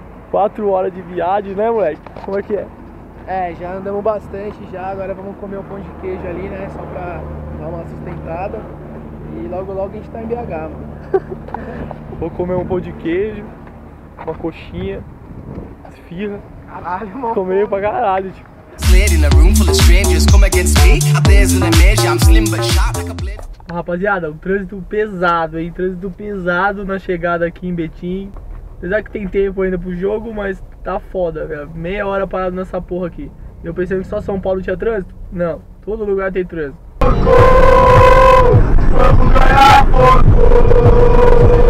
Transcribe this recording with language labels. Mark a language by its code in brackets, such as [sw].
[pt] 4 horas de viagem, né, moleque? Como é que é? É, já andamos bastante já. Agora vamos comer um pão de queijo ali, né? Só pra dar uma sustentada. E logo logo a gente tá em BH, mano. Vou comer um pão de queijo, uma coxinha, esfirra. Caralho, mano. Comer pra caralho, tipo. [en] In a room full of strangers, come against me. There's an image, I'm slim but sharp like a blade. [pt] Rapaziada, um trânsito pesado, hein? Trânsito pesado na chegada aqui em Betim. Apesar que tem tempo ainda pro jogo, mas tá foda, velho. Meia hora parado nessa porra aqui. Eu pensei que só São Paulo tinha trânsito? Não, todo lugar tem trânsito. Porco! Vamos ganhar, porco!